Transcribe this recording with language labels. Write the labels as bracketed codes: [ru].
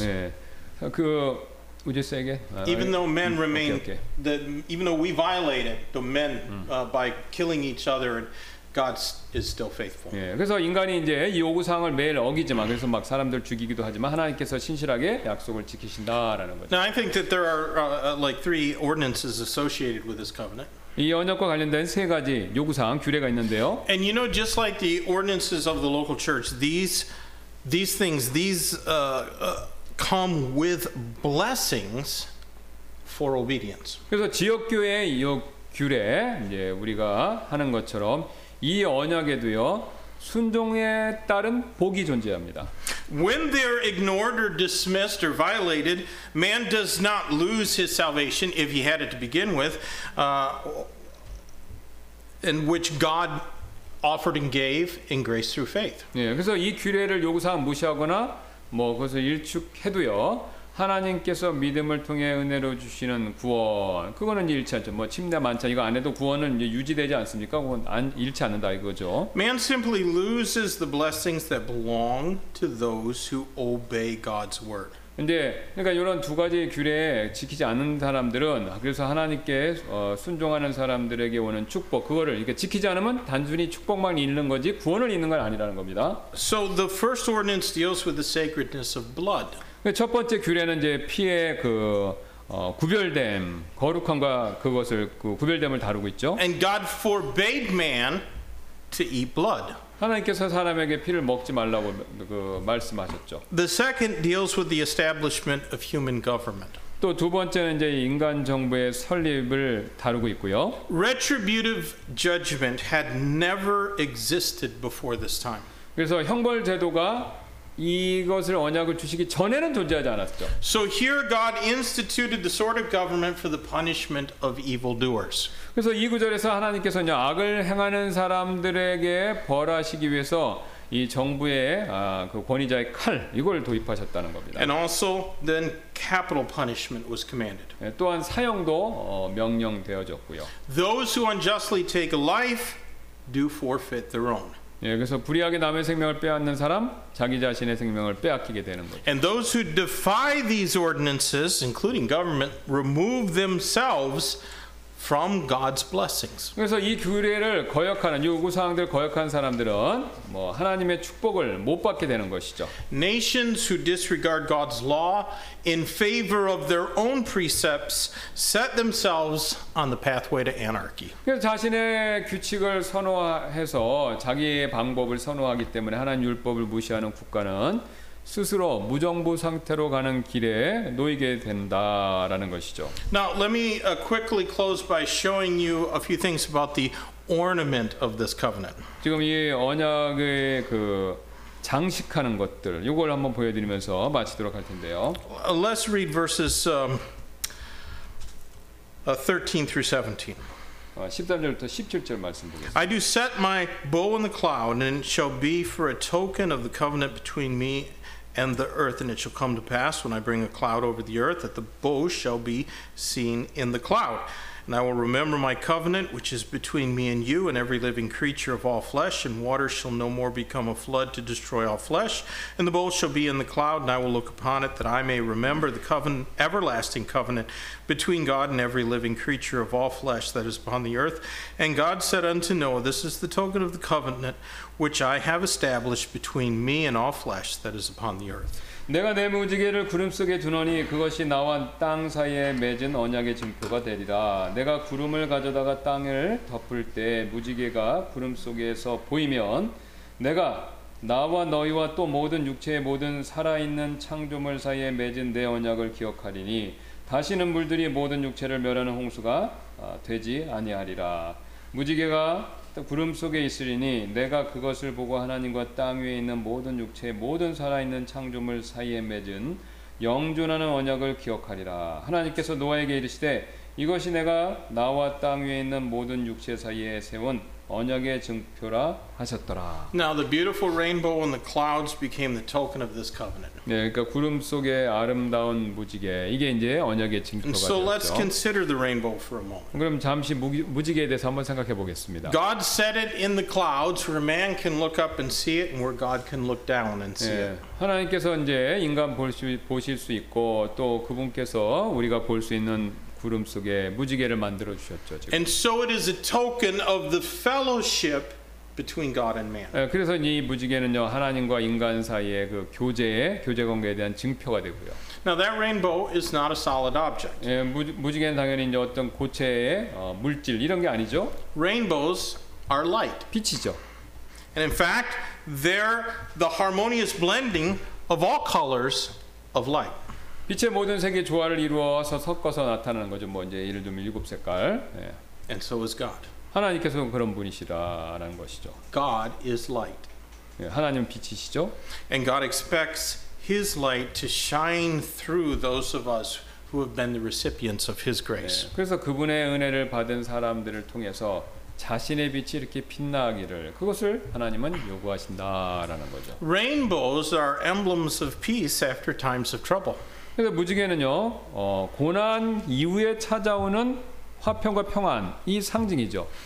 [ko] 네, 그 [en] Would you say again? Even though men remain, even though we violate it, the men by killing each other, God is still faithful. [ko] 예, 그래서 인간이 이제 요구사항을 매일 어기지만, 그래서 막 사람들 죽이기도 하지만 하나님께서 신실하게 약속을 지키신다라는 거죠. [en] Now I think that there are like three ordinances associated with this covenant. [ko] 이 언약과 관련된 세 가지 요구사항 규례가 있는데요. [en] And you know, just like the ordinances of the local church, these things come with blessings for obedience. [ko] 그래서 지역교회 이 규례 이제 우리가 하는 것처럼 이 언약에도요 순종에 따른 복이 존재합니다. [en] When they're ignored or dismissed or violated, man does not lose his salvation if he had it to begin with, in which God offered and gave in grace through faith. [ko] 예, 그래서 이 규례를 요구사항 무시하거나 뭐 그것을 일축해도요 하나님께서 믿음을 통해 은혜로 주시는 구원 그거는 일치 않죠. 뭐 침례 만찬 이거 안 해도 구원은 이제 유지되지 않습니까? 그건 안 일치 않는다 이거죠. [en] Man simply loses the blessings that belong to those who obey God's word. [ko] 근데 그러니까 이런 두 가지 규례 지키지 않는 사람들은 그래서 하나님께 순종하는 사람들에게 오는 축복 그거를 이렇게 지키지 않으면 단순히 축복만 있는 거지 구원을 있는 건 아니라는 겁니다. [en] So the first ordinance deals with the sacredness of blood. [ko] 첫 번째 규례는 이제 피의 그 구별됨 거룩함과 그것을 그 구별됨을 다루고 있죠. [en] And God forbade man to eat blood. [ko] 하나님께서 사람에게 피를 먹지 말라고 그 말씀하셨죠. [en] The second deals with the establishment of human government. [ko] 또 두 번째는 이제 인간 정부의 설립을 다루고 있고요. [en] Retributive judgment had never existed before this time. [ko] 그래서 형벌 제도가 이것을 언약을 주시기 전에는 존재하지 않았죠. [en] So here God instituted the sword of government for the punishment of evildoers. [ko] 그래서 이 구절에서 하나님께서 이제 악을 행하는 사람들에게 벌하시기 위해서 이 정부의 그 권위자의 칼 이걸 도입하셨다는 겁니다. [en] And also then capital punishment was commanded. [ko] 또한 사형도 명령되어졌고요. [en] Those who unjustly take a life do forfeit their own. [ko] 예, 그래서 불의하게 남의 생명을 빼앗는 사람 자기 자신의 생명을 빼앗기게 되는 거죠. [en] And those who defy these ordinances, including government, remove themselves from God's blessings. [ko] 그래서 이 규례를 거역하는 요구사항들 거역한 사람들은 뭐 하나님의 축복을 못 받게 되는 것이죠. [en] Nations who disregard God's law in favor of their own precepts set themselves on the pathway to anarchy. [ko] 그래서 자신의 규칙을 선호해서 자기의 방법을 선호하기 때문에 하나님 율법을 무시하는 국가는 스스로 무정부 상태로 가는 길에 놓이게 된다라는 것이죠. [en] Now let me quickly close by showing you a few things about the ornament of this covenant. [ko] 지금 이 언약의 그 장식하는 것들 이걸 한번 보여드리면서 마치도록 할 텐데요. [en] Let's read verses 13 through 17. [ko] 13절부터 17절 말씀 보겠습니다. [en] I do set my bow in the cloud and it shall be for a token of the covenant between me and the earth, and it shall come to pass when I bring a cloud over the earth that the bow shall be seen in the cloud. And I will remember my covenant, which is between me and you and every living creature of all flesh, and water shall no more become a flood to destroy all flesh. And the bow shall be in the cloud, and I will look upon it that I may remember the covenant, everlasting covenant between God and every living creature of all flesh that is upon the earth. And God said unto Noah, this is the token of the covenant which I have established between me and all flesh that is upon the earth. [ko] 내가 내 무지개를 구름 속에 두노니 그것이 나와 땅 사이에 맺은 언약의 증표가 되리라. 내가 구름을 가져다가 땅을 덮을 때 무지개가 구름 속에서 보이면 내가 나와 너희와 또 모든 육체의 모든 살아있는 창조물 사이에 맺은 내 언약을 기억하리니 다시는 물들이 모든 육체를 멸하는 홍수가 되지 아니하리라. 무지개가 구름 속에 있으리니 내가 그것을 보고 하나님과 땅 위에 있는 모든 육체의 모든 살아있는 창조물 사이에 맺은 영존하는 언약을 기억하리라. 하나님께서 노아에게 이르시되 이것이 내가 나와 땅 위에 있는 모든 육체 사이에 세운 언약의 증표라 하셨더라. [en] Now the beautiful rainbow and the clouds became the token of this covenant. [ko] 네, 그러니까 구름 속의 아름다운 무지개 이게 이제 언약의 증표가 [en] so [ko] 되었죠. [en] So let's consider the rainbow for a moment. [ko] 그럼 잠시 무지개에 대해서 한번 생각해 보겠습니다. [en] God set it in the clouds where man can look up and see it, and where God can look down and see [ko] 네, [en] it. [ko] 하나님께서 이제 인간 보실 수 있고 또 그분께서 우리가 볼 수 있는 구름 속에 무지개를 만들어 주셨죠. 지금. [en] And so it is a token of the fellowship between God and man. [ko] 그래서 이 무지개는요 하나님과 인간 사이의 그 교제의 교제 관계에 대한 증표가 되고요. [en] Now that rainbow is not a solid object. [ko] 예, 무지개는 당연히 이제 어떤 고체의 물질 이런 게 아니죠. [en] Rainbows are light. [ko] 빛이죠. [en] And in fact, they're the harmonious blending of all colors of light. [ko] 빛의 모든 색의 조화를 이루어서 섞어서 나타나는 거죠. 뭐 이제 예를 들면 일곱 색깔. 예. [en] And so is God. [ko] 하나님께서 그런 분이시다라는 것이죠. [en] God is light. [ko] 예, 하나님은 빛이시죠. [en] And God expects His light to shine through those of us who have been the recipients of His grace. [ko] 예, 그래서 그분의 은혜를 받은 사람들을 통해서 자신의 빛이 이렇게 빛나기를 그것을 하나님은 요구하신다라는 거죠. [en] Rainbows are emblems of peace after times of trouble. [ko] 그래서 무지개는요 고난 이후에 찾아오는 화평과 평안 이 상징이죠.